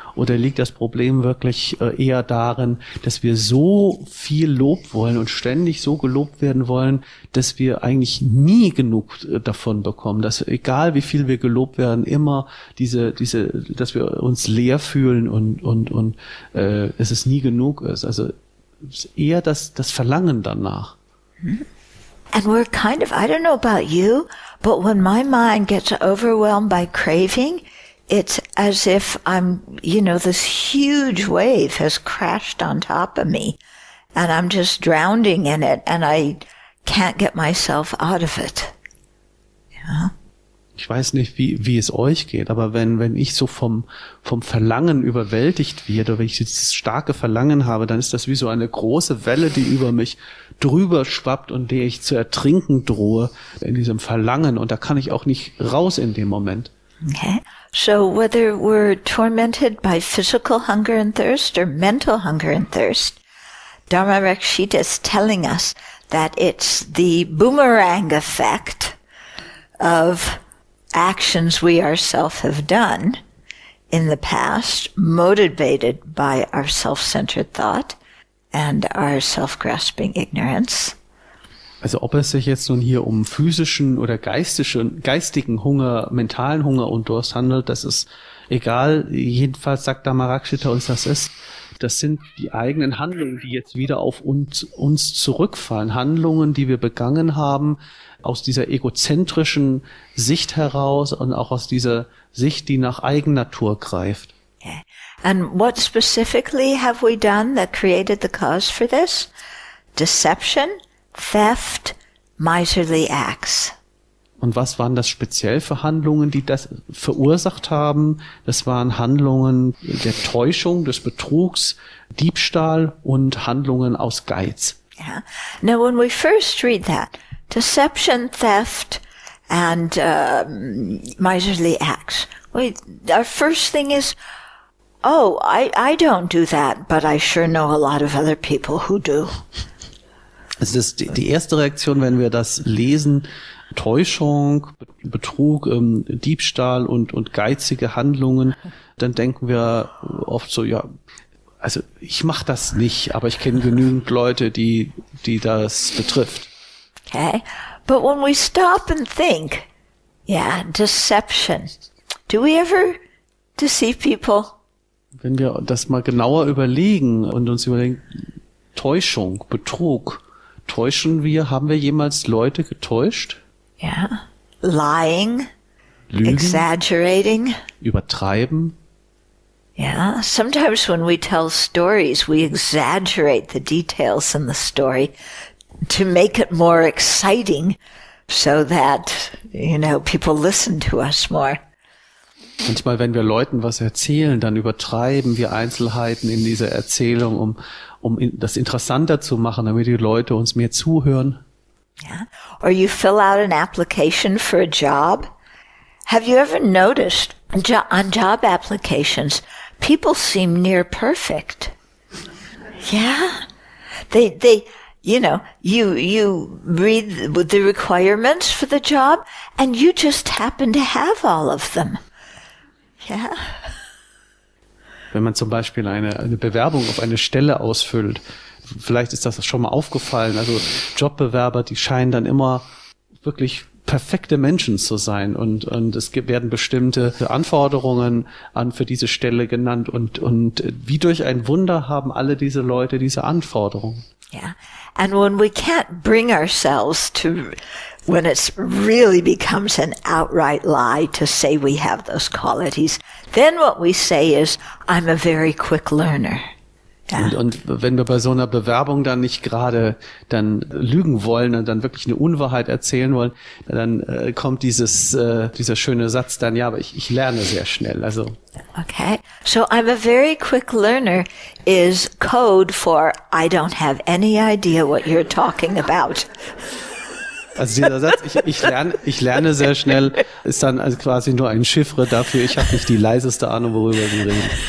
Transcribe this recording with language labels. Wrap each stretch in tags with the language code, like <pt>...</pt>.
<de>Oder liegt das Problem wirklich eher darin, dass wir so viel Lob wollen und ständig so gelobt werden wollen, dass wir eigentlich nie genug davon bekommen? Dass egal wie viel wir gelobt werden, immer diese, dass wir uns leer fühlen und dass es nie genug ist. Also eher das Verlangen danach.</de> <en>And we're kind of, I don't know about you, but when my mind gets overwhelmed by craving, it's as if I'm, you know, this huge wave has crashed on top of me and I'm just drowning in it and I can't get myself out of it. Yeah.</en> <de>Ich weiß nicht, wie es euch geht, aber wenn ich so vom Verlangen überwältigt werde, wenn ich dieses starke Verlangen habe, dann ist das wie so eine große Welle, die über mich drüber schwappt und die ich zu ertrinken drohe in diesem Verlangen. Und da kann ich auch nicht raus in dem Moment. Okay.</de> <en>So whether we're tormented by physical hunger and thirst or mental hunger and thirst, Dharma Rakshita is telling us that it's the boomerang effect of actions we ourselves have done in the past, motivated by our self-centered thought and our self-grasping ignorance.</en> <de>Also ob es sich jetzt nun hier um physischen oder geistigen Hunger, mentalen Hunger und Durst handelt, das ist egal. Jedenfalls sagt Dharma Rakshita uns, das sind die eigenen Handlungen, die jetzt wieder auf uns zurückfallen. Handlungen, die wir begangen haben, aus dieser egozentrischen Sicht heraus und auch aus dieser Sicht, die nach Eigennatur greift.</de> <en>And what specifically have we done that created the cause for this? Deception, theft, miserly acts.</en> <de>Und was waren das speziell für Handlungen, die das verursacht haben? Das waren Handlungen der Täuschung, des Betrugs, Diebstahl und Handlungen aus Geiz.</de> <en>Yeah. Now, when we first read that, deception, theft, and miserly acts. Our first thing is, oh, I don't do that, but I sure know a lot of other people who do.</en> <de>Es ist die erste Reaktion, wenn wir das lesen, Täuschung, Betrug, Diebstahl und geizige Handlungen, dann denken wir oft so, ja, also ich mache das nicht, aber ich kenne genügend Leute, die das betrifft.</de> <en>Okay, but when we stop and think, yeah, deception, do we ever deceive people?</en> <de>Wenn wir das mal genauer überlegen und uns überlegen, Täuschung, Betrug, täuschen wir, haben wir jemals Leute getäuscht?</de> <en>Yeah, lying,</en> <de>Lügen,</de> <en>exaggerating,</en> <de>übertreiben.</de> <en>Yeah, sometimes when we tell stories, we exaggerate the details in the story to make it more exciting, so that, you know, people listen to us more.</en> <de>Manchmal, wenn wir Leuten was erzählen, dann übertreiben wir Einzelheiten in dieser Erzählung, um das interessanter zu machen, damit die Leute uns mehr zuhören.</de> <en>Yeah. Or you fill out an application for a job. Have you ever noticed on job applications, people seem near perfect? Yeah. They, you know, you read the requirements for the job and you just happen to have all of them. Yeah.</en> <de>Wenn man zum Beispiel eine Bewerbung auf eine Stelle ausfüllt, vielleicht ist das schon mal aufgefallen. Also Jobbewerber, die scheinen dann immer wirklich perfekte Menschen zu sein. Und es werden bestimmte Anforderungen für diese Stelle genannt. Und wie durch ein Wunder haben alle diese Leute diese Anforderungen.</de> <en>Yeah. And when we can't bring ourselves to, when it really becomes an outright lie to say we have those qualities, then what we say is, I'm a very quick learner.</en> <de>Ja. Und wenn wir bei so einer Bewerbung dann nicht gerade dann lügen wollen und dann wirklich eine Unwahrheit erzählen wollen, dann kommt dieser schöne Satz dann, ja, aber ich lerne sehr schnell. Also. Okay, so I'm a very quick learner is code for I don't have any idea what you're talking about. Also dieser Satz, ich lerne sehr schnell, ist dann also quasi nur ein Chiffre dafür, ich habe nicht die leiseste Ahnung, worüber wir reden.</de>